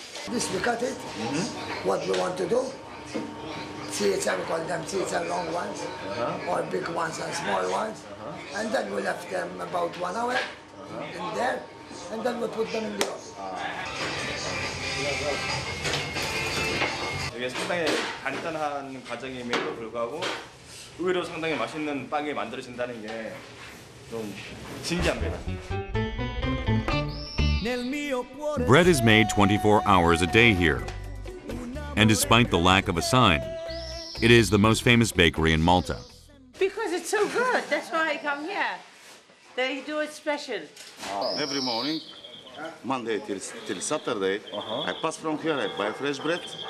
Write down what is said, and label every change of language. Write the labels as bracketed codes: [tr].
[en] This we cut it, what we want to do. See, we call them CSL long ones, or big ones and small ones. And then we left them about 1 hour. In there, and then we put them in the oven. [ko] 이게 상당히 간단한 과정임에도 불구하고 의외로 상당히 맛있는 빵이 만들어진다는 게 좀 신기합니다. [en] Bread is made 24 hours a day here, and despite the lack of a sign, it is the most famous bakery in Malta. Because it's so good, that's why I come here. They do it special. Every morning, Monday till Saturday, I pass from here, I buy fresh bread.